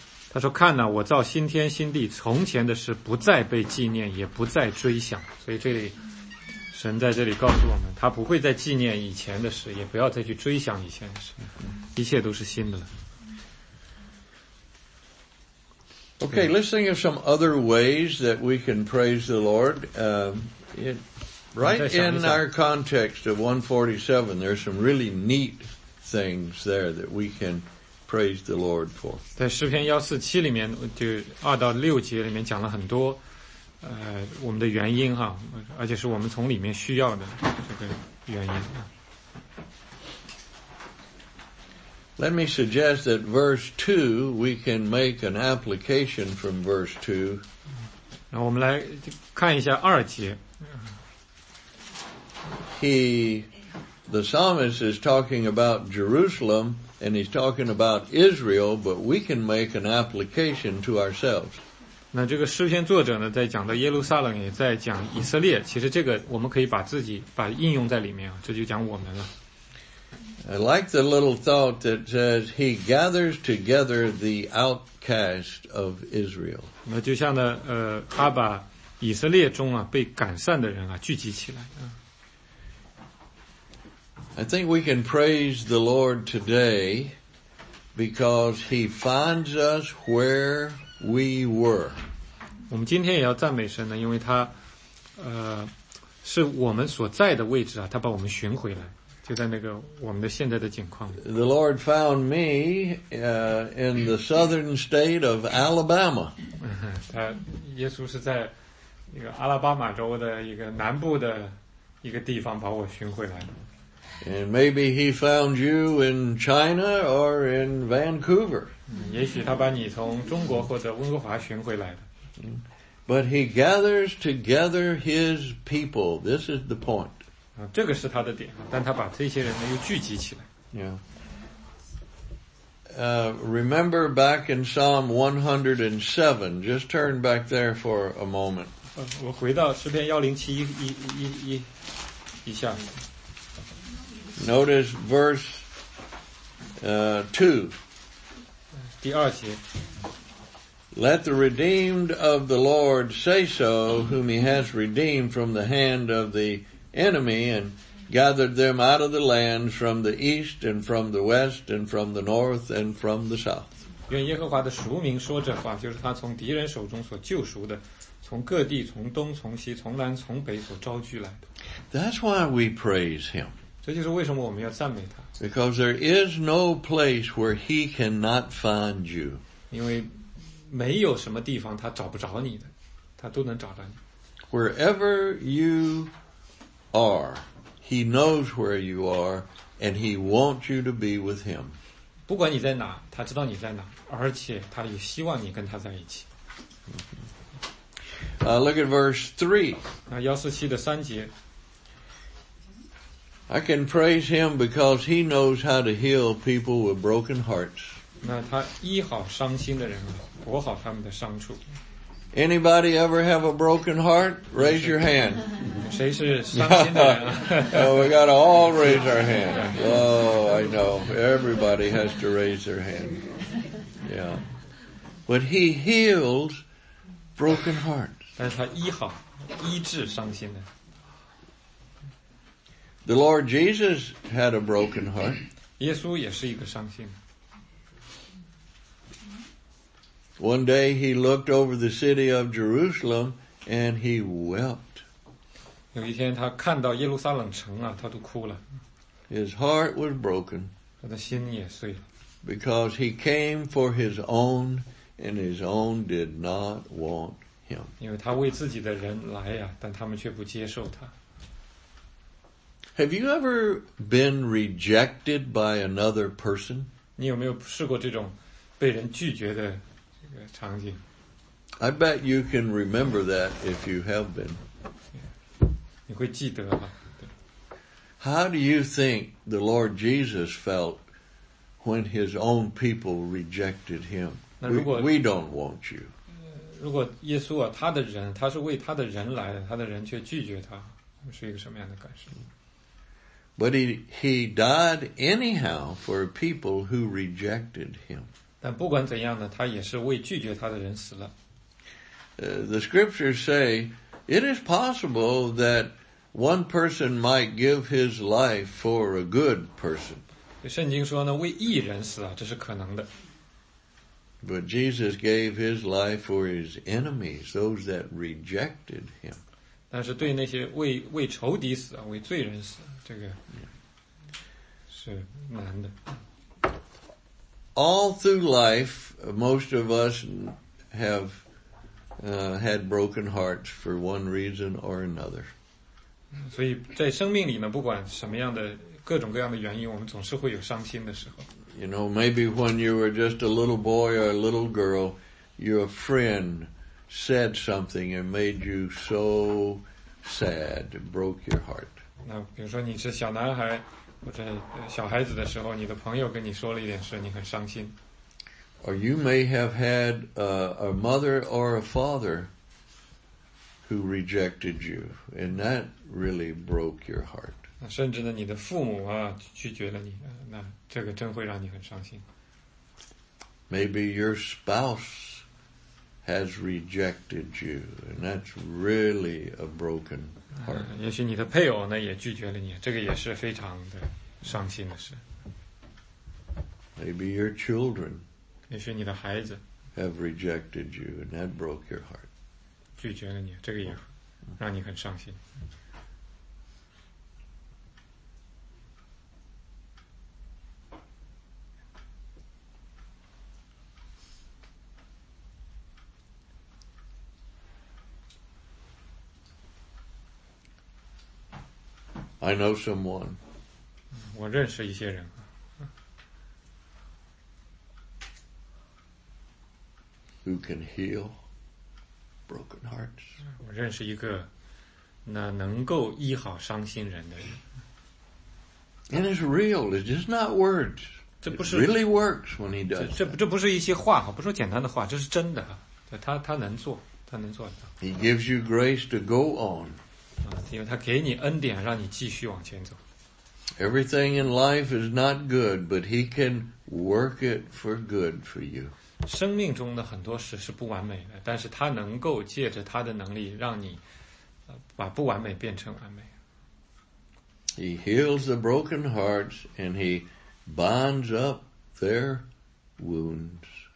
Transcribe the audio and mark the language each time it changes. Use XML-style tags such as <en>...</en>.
<zh>他说看呢，我造新天新地，从前的事不再被纪念，也不再追想。所以这里神在这里告诉我们，他不会再纪念以前的事，也不要再去追想以前的事，一切都是新的了。</zh> <en>Okay, let's think of some other ways that we can praise the Lord. Right in our context of 147, there are some really neat things there that we can praise the Lord for.</en> <zh>在诗篇147里面，就二到六节里面讲了很多我们的原因哈，而且是我们从里面需要的这个原因。</zh> <en>Let me suggest that verse 2, we can make an application from verse 2.</en> <zh>那我们来看一下二节。</zh> <en>The psalmist is talking about Jerusalem, and he's talking about Israel, but we can make an application to ourselves.</en> <zh>那这个诗篇作者呢，在讲到耶路撒冷，也在讲以色列。其实这个我们可以把自己把应用在里面啊，这就讲我们了。</zh> <en>I like the little thought that says he gathers together the outcast of Israel.</en> <zh>那就像呢，他把以色列中啊被赶散的人啊聚集起来啊。</zh> <en>I think we can praise the Lord today because he finds us where we were.</en> <zh>我们今天也要赞美神呢，因为他是我们所在的位置啊，他把我们寻回来，就在那个我们的现在的境况。</zh> <en>The Lord found me in the southern state of Alabama.</en> <zh>耶稣是在一个阿拉巴马州的一个南部的一个地方把我寻回来。</zh> <en>And maybe he found you in China or in Vancouver.</en> <zh>也许他把你从中国或者温哥华寻回来的。</zh> <en>But he gathers together his people. This is the point.</en> <zh>这个是他的点，但他把这些人又聚集起来。</zh> <en>Remember back in Psalm 107. Just turn back there for a moment.</en> <zh>我回到诗篇107一下。</zh> <en>Notice verse</en> <zh>2. 第二节。</zh> <en>Let the redeemed of the Lord say so, whom he has redeemed from the hand of the enemy and gathered them out of the land from the east and from the west and from the north and from the south.</en> <zh>愿耶和华的赎民说这话，就是他从敌人手中所救赎的，从各地，从东，从西，从南，从北所招聚来的。</zh> <en>That's why we praise him.</en> <zh>这就是为什么我们要赞美他。</zh> <en>Because there is no place where he cannot find you.</en> <zh>因为没有什么地方他找不着你的，他都能找到你。</zh> <en>Wherever you are, he knows where you are, and he wants you to be with him.</en> <zh>不管你在哪，他知道你在哪，而且他也希望你跟他在一起。</zh> <en>Look at verse</en> <zh>3. 147的三节。</zh> <en>I can praise him because he knows how to heal people with broken hearts.</en> <zh>那他医好伤心的人，补好他们的伤处。</zh> <en>Anybody ever have a broken heart? Raise your hand.</en> <zh>谁是伤心的人？</zh> <en>We got to all raise our hand. Oh, I know. Everybody has to raise their hand. Yeah. But he heals broken hearts.</en> <zh>但是他医好，医治伤心的。</zh> <en>The Lord Jesus had a broken heart.</en> <zh>耶稣也是一个伤心的。</zh> <en>One day he looked over the city of Jerusalem and he wept.</en> <zh>有一天他看到耶路撒冷城啊，他都哭了。</zh> <en>His heart was broken.</en> <zh>他的心也碎了。</zh> <en>Because he came for his own and his own did not want him.</en> <zh>因为他为自己的人来啊，但他们却不接受他。</zh> <en>Have you ever been rejected by another person?</en> <zh>你有没有试过这种被人拒绝的？</zh> <en>I bet you can remember that if you have been.</en> <zh>你会记得吗？</zh> <en>How do you think the Lord Jesus felt when his own people rejected him? We don't want you.</en> <zh>如果耶稣啊，他的人，他是为他的人来的，他的人却拒绝他，是一个什么样的感受？</zh> <en>But he died anyhow for people who rejected him.</en> <zh>但不管怎样呢，他也是为拒绝他的人死了。</zh> <en>The scriptures say it is possible that one person might give his life for a good person.</en> <zh>圣经说呢，为义人死啊，这是可能的。</zh> <en>But Jesus gave his life for his enemies, those that rejected him.</en> <zh>但是对那些为仇敌死啊，为罪人死，这个是难的。</zh> <en>All through life, most of us have had broken hearts for one reason or another.</en> <zh>所以在生命里呢，不管什么样的各种各样的原因，我们总是会有伤心的时候。</zh> <en>You know, maybe when you were just a little boy or a little girl, your friend said something and made you so sad, broke your heart.</en> <zh>那比如说你是小男孩。或者小孩子的时候，你的朋友跟你说了一点事，你很伤心。</zh> <en>Or you may have had a mother or a father who rejected you, and that really broke your heart.</en> <zh>甚至呢，你的父母啊拒绝了你，那这个真会让你很伤心。</zh> <en>Maybe your spouse has rejected you, and that's really a broken heart.</en> <zh>也许你的配偶呢也拒绝了你，这个也是非常的伤心的事。</zh> <en>Maybe your children,</en> <zh>也许你的孩子</zh> <en>have rejected you and that broke your heart.</en> <zh>拒绝了你，这个也让你很伤心。</zh> <en>I know someone.</en> <zh>我认识一些人。</zh> <en>Who can heal broken hearts?</en> <zh>我认识一个那能够医好伤心人的人。</zh> <en>And it's real. It's just not words.</en> <zh>这不是</zh> <en>It really works when he does.</en> <zh>这不是一些话，不说简单的话，这是真的。他能做，他能做的。</zh> <en>He gives you grace to go on.</en> <zh>因为他给你恩典，让你继续往前走。</zh> <en>Everything in life is not good, but he can work it for good for you.</en> <zh>生命中的很多事是不完美的，但是他能够借着他的能力，让你把不完美变成完美。</zh> <en>He heals the broken hearts and he binds up their wounds.</en>